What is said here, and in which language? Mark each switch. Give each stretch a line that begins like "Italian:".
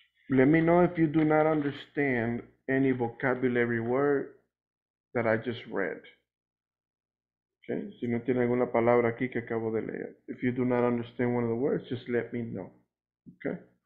English: Let me know if you do not understand any vocabulary word that I just read.
Spanish: Okay, si no tiene alguna palabra aquí que acabo de leer.
English: If you do not understand one of the words, just let me know. Okay.